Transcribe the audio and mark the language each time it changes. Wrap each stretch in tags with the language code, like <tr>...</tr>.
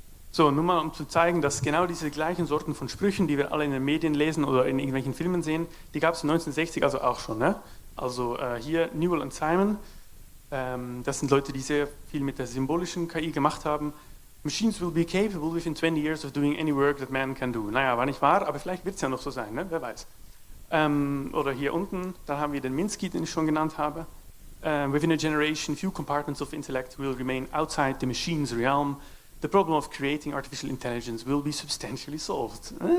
<de>So, nur mal um zu zeigen, dass genau diese gleichen Sorten von Sprüchen, die wir alle in den Medien lesen oder in irgendwelchen Filmen sehen, die gab es 1960 also auch schon. Ne? Also hier Newell und Simon, das sind Leute, die sehr viel mit der symbolischen KI gemacht haben.</de> <en>Machines will be capable within 20 years of doing any work that man can do.</en> <de>Naja, war nicht wahr, aber vielleicht wird es ja noch so sein, ne? Wer weiß. Oder hier unten, da haben wir den Minsky, den ich schon genannt habe.</de> <en>Within a generation, few compartments of intellect will remain outside the machine's realm. The problem of creating artificial intelligence will be substantially solved.</en>